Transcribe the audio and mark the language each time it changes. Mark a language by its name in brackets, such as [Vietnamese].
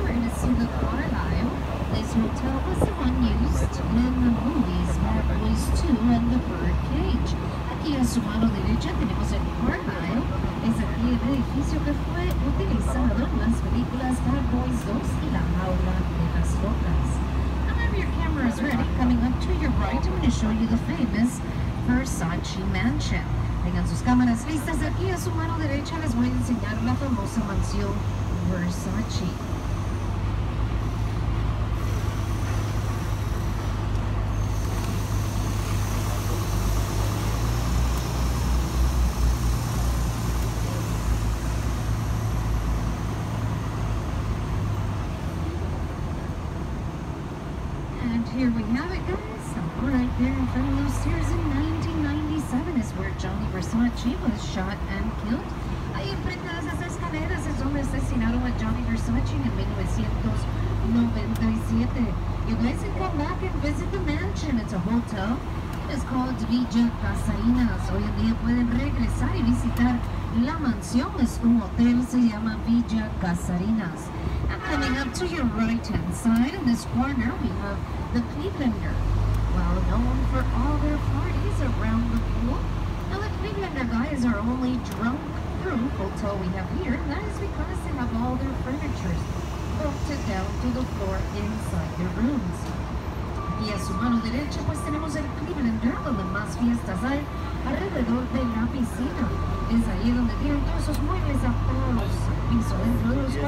[English] Hotel was the one used in the movies Bad Boys 2 and The Birdcage. [Spanish] Aquí a su mano derecha tenemos el Argyle. Es aquí el edificio que fue utilizado en las películas Bad Boys 2 y La Jaula de las Locas. [English] Now have your cameras ready. Coming up to your right, I'm going to show you the famous Versace Mansion. [Spanish] Tengan sus cámaras listas. Aquí a su mano derecha les voy a enseñar la famosa mansión Versace. [English] Here we have it, guys. Right there in front of those stairs in 1997 is where Johnny Versace was shot and killed. [Spanish] Ahí enfrente de esas escaleras es donde asesinaron a Johnny Versace en 1997. [English] You guys can come back and visit the mansion. It's a hotel. It is called Villa Casainas. [Spanish] Hoy en día pueden regresar y visitar la mansión. Es un hotel. Se llama Villa Casainas. [English] Coming up to your right-hand side, in this corner, we have the Clevelander. Well known for all their parties around the pool. Now, the Clevelander guys are only drunk-proof hotel we have here, and that is because they have all their furniture bolted down to the floor inside their rooms. [Spanish] Y a su mano derecha, pues tenemos el Clevelander, donde más fiestas hay alrededor de la piscina. Es ahí donde tienen todos esos muebles adaptados.